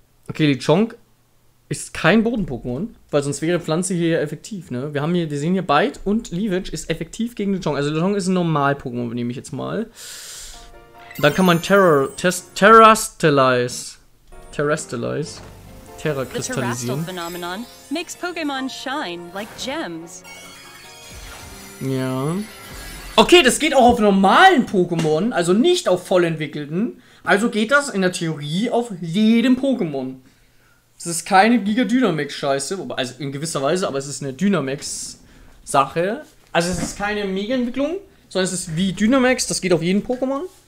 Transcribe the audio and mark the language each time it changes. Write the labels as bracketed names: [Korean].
[German] Okay, die Chonk ist kein Boden-Pokémon, weil sonst wäre Pflanze hier ja effektiv, ne? Wir sehen hier Bite und Leavage ist effektiv gegen Lechonk. Also Lechonk ist ein Normal-Pokémon, nehme ich jetzt mal. Dann kann man Terra kristallisieren. [English] The terrestrial phenomenon makes Pokémon shine like gems. [German] Ja. Okay, das geht auch auf normalen Pokémon, also nicht auf vollentwickelten. Also geht das in der Theorie auf jedem Pokémon. Das ist keine Giga-Dynamax-Scheiße, also in gewisser Weise, aber es ist eine Dynamax-Sache. Also es ist keine Mega-Entwicklung, sondern es ist wie Dynamax, das geht auf jeden Pokémon.